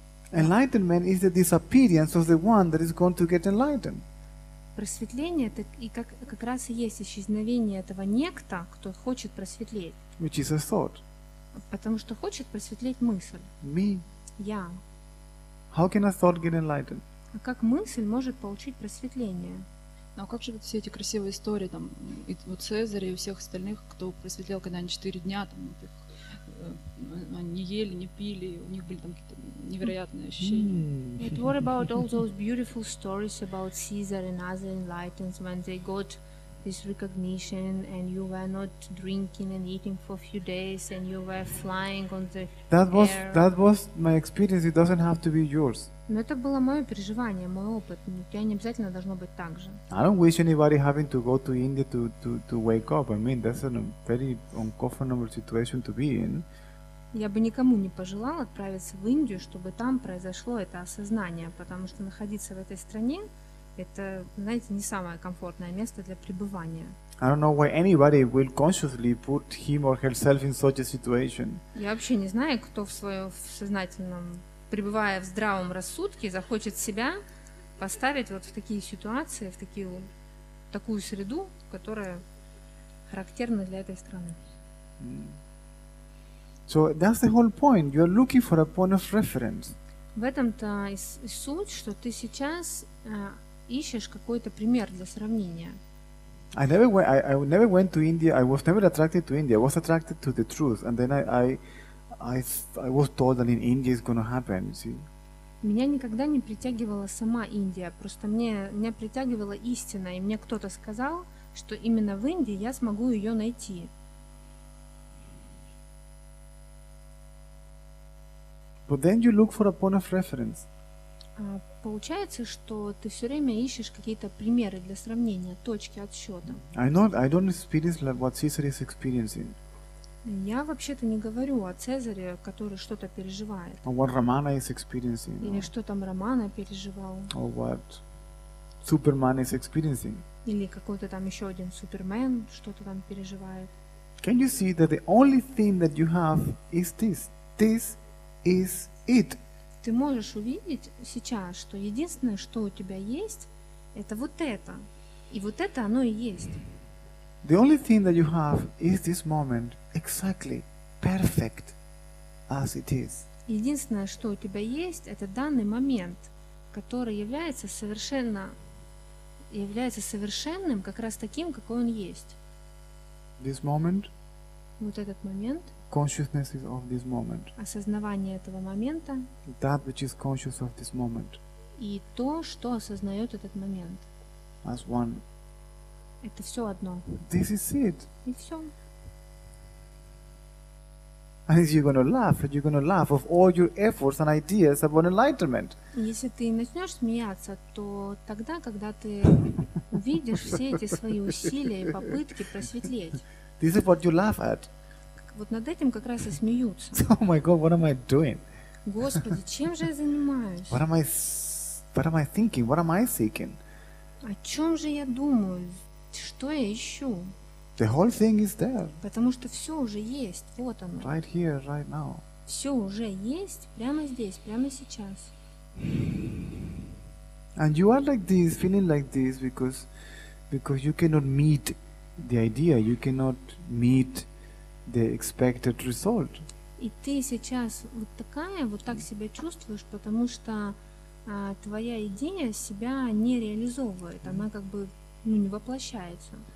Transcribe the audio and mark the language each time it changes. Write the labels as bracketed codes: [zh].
[en] Enlightenment is the disappearance of the one that is going to get enlightened. [ru] Просветление – это и как раз и есть исчезновение этого некто, кто хочет просветлеть. [en] Which is a thought. [ru] Потому что хочет просветлеть мысль. [en] Me. [ru] Я. [en] How can a thought get enlightened? [ru] А как мысль может получить просветление? А как же все эти красивые истории, там, и у Цезаря, и у всех остальных, кто просветлел, когда они 4 дня, там, они не ели, не пили, у них были там какие-то невероятные ощущения. [en] But what about all those beautiful stories about Caesar and other enlightened, when they got this recognition, and you were not drinking and eating for a few days, and you were flying on the That was my experience. It doesn't have to be yours. [ru] Но это было мое переживание, мой опыт. У тебя не обязательно должно быть так же. [en] I don't wish anybody having to go to India to wake up. I mean, that's a very uncomfortable situation to be in. [ru] Я бы никому не пожелал отправиться в Индию, чтобы там произошло это осознание, потому что находиться в этой стране – это, знаете, не самое комфортное место для пребывания. [en] I don't know why anybody will consciously put him or herself in such a situation. [ru] Я вообще не знаю, кто в своем сознательном, пребывая в здравом рассудке, захочет себя поставить вот в такие ситуации, в такую среду, которая характерна для этой страны. Mm. [en] So that's the whole point. You're looking for a point of reference. [ru] В этом-то и суть, что ты сейчас ищешь какой-то пример для сравнения. [en] I never went to India. I was never attracted to India. I was attracted to the truth. And then I was told that in India it's going to happen. See? [ru] Меня никогда не притягивала сама Индия. Просто меня притягивала истина, и мне кто-то сказал, что именно в Индии я смогу ее найти. [en] But then you look for a point of reference. [ru] Получается, что ты все время ищешь какие-то примеры для сравнения, точки отсчета. [en] I don't experience like what Caesar is experiencing. [ru] Я вообще-то не говорю о Цезаре, который что-то переживает. [en] Or what Ramana is experiencing. [ru] Или что там Рамана переживал. [en] Or what Superman is experiencing. [ru] Или какой-то там еще один Супермен что-то там переживает. [en] Can you see that the only thing that you have is this? This is it. [ru] Ты можешь увидеть сейчас, что единственное, что у тебя есть, это вот это. И вот это оно и есть. [en] The only thing that you have is this moment, exactly perfect as it is. [ru] Единственное, что у тебя есть, это данный момент, который является совершенным как раз таким, какой он есть. [en] This moment. [ru] Вот этот момент. [en] Consciousness is of this moment. [ru] Осознавание этого момента. [en] That which is conscious of this moment. [ru] И то, что осознает этот момент. [en] As one. [ru] Это все одно. [en] This is it. [ru] И все. [en] And you're going to laugh, and you're going to laugh of all your efforts and ideas about enlightenment. [ru] Если ты начнешь смеяться, то тогда, когда ты увидишь все эти свои усилия и попытки просветлеть. [en] This is what you laugh at. [ru] Вот над этим как раз и смеются. [en] Oh my God, what am I doing? [ru] Господи, чем же я занимаюсь? [en] What am I thinking? What am I seeking? [ru] О чем же я думаю? Что я ищу? [en] The whole thing is there. [ru] Потому что все уже есть, вот оно. [en] Right here, right now. [ru] Все уже есть, прямо здесь, прямо сейчас. [en] And you are like this, feeling like this, because you cannot meet the idea, you cannot meet the expected result. [ru] И ты сейчас вот такая, вот так себя чувствуешь, потому что твоя идея себя не реализовывает, она как бы не воплощается.